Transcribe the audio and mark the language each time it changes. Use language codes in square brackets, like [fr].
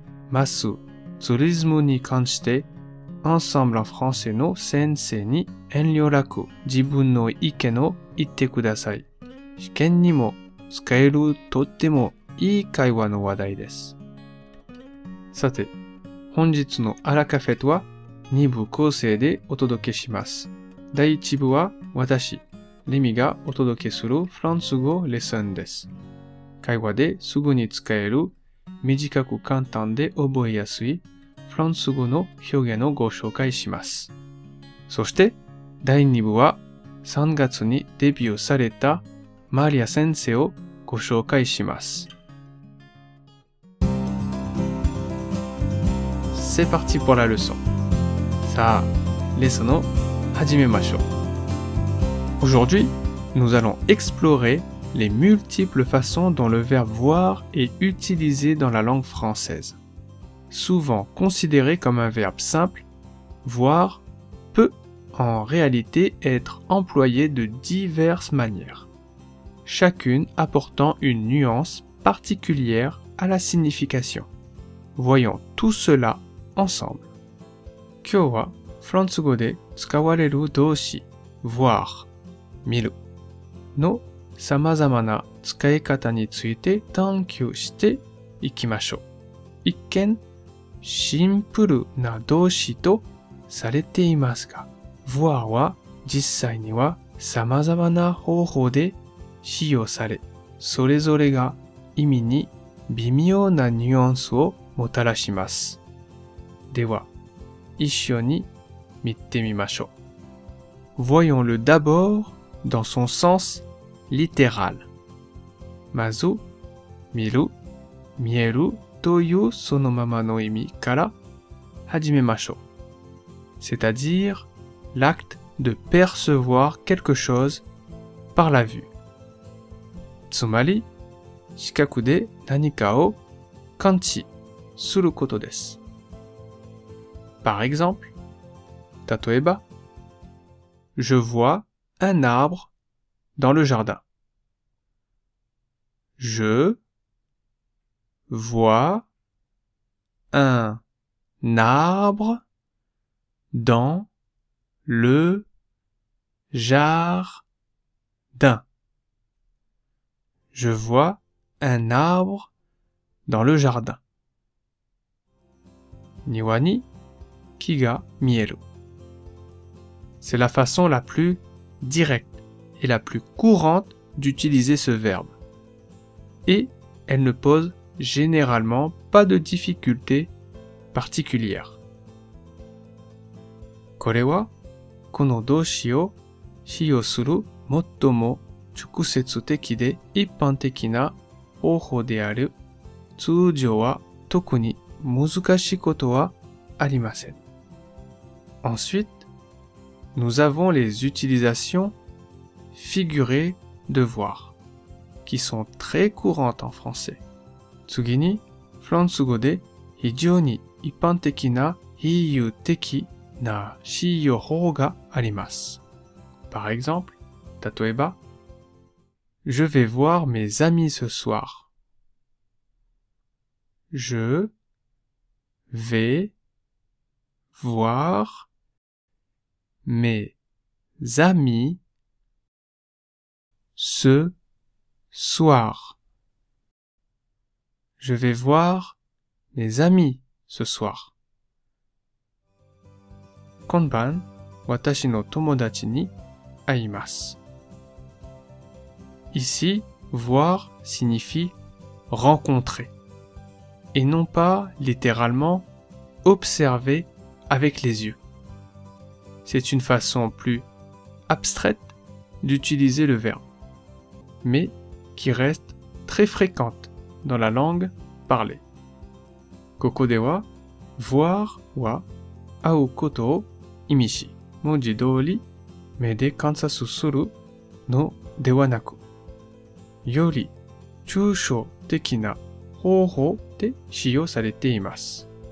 [ja] Masu tsurizumu ni kanshite Ensemble en français no sensei ni enryoraku jibun no iken o itte kudasai. Shiken ni mo tsukaeru tottemo ii kaiwa no wadai desu. Sate, honjitsu no arakafete wa 2部構成でお届けします。第1部は私、レミがお届けするフランス語レッスンです。会話ですぐに使える短く簡単で覚えやすいフランス語の表現をご紹介します。そして第2部は3月にデビューされたマリア先生をご紹介します。 [fr] C'est parti pour la leçon. [ja] さあ、レッスンを始めましょう。 [fr] Aujourd'hui, nous allons explorer les multiples façons dont le verbe voir est utilisé dans la langue française. Souvent considéré comme un verbe simple, voir peut en réalité être employé de diverses manières, chacune apportant une nuance particulière à la signification. Voyons tout cela ensemble. [ja] 今日はフランス語で使われる動詞 voir 見るの様々な使い方について探求していきましょう。一見シンプルな動詞とされていますが、 voir は実際には様々な方法で使用され、それぞれが意味に微妙なニュアンスをもたらします。では一緒に見てみましょう。 [fr] Voyons-le d'abord dans son sens littéral. [ja] まず、見る、見えるというそのままの意味から始めましょう。 [fr] C'est-à-dire l'acte de percevoir quelque chose par la vue. [ja] つまり、視覚で何かを感知することです。 [fr] Par exemple, [ja] 例えば、 [fr] Je vois un arbre dans le jardin. Je vois un arbre dans le jardin. Je vois un arbre dans le jardin. [ja] 庭に木が見える。 [fr] C'est la façon la plus directe et la plus courante d'utiliser ce verbe. Et elle ne pose généralement pas de difficultés particulières. [ja] これはこの動詞を使用する最も直接的で一般的な方法である。通常は特に難しいことはありません。 [fr] Ensuite,Nous avons les utilisations figurées de voir, qui sont très courantes en français. [ja] 次に、フランス語で非常に一般的な比喩的な使用法があります。 [fr] Par exemple, [ja] 例えば、 [fr] Je vais voir mes amis ce soir. Je vais voirMes amis ce soir. Je vais voir mes amis ce soir. [ja] 今晩、私の友達に会います。 [fr] Ici, voir signifie rencontrer, et non pas littéralement observer avec les yeux. C'est une façon plus abstraite d'utiliser le verbe, mais qui reste très fréquente dans la langue parlée. [ja] ここでは、voir は会うことを意味し、文字通り目で観察するのではなく、より抽象的な方法で使用されています。